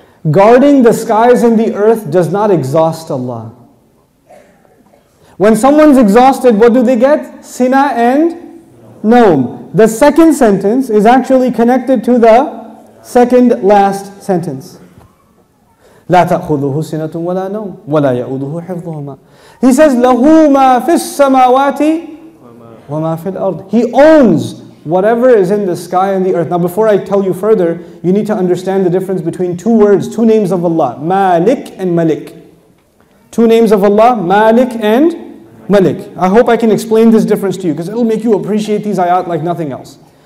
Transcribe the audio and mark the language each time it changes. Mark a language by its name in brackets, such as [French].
[English] Guarding the skies and the earth does not exhaust Allah. When someone's exhausted, what do they get? Sina and Nom. The second sentence is actually connected to the second last sentence. [Arabic] لَا تَأْخُذُهُ سِنَةٌ وَلَا نَوْمٌ وَلَا يَعُدُهُ حِفْظُهُمَا. [English] He says, [Arabic] لَهُ مَا فِي السَّمَاوَاتِ وَمَا فِي الْأَرْضِ. [English] He owns whatever is in the sky and the earth. Now before I tell you further, you need to understand the difference between two words, two names of Allah, Malik and Malik. Two names of Allah, Malik and Malik. I hope I can explain this difference to you, because it'll make you appreciate these ayat like nothing else.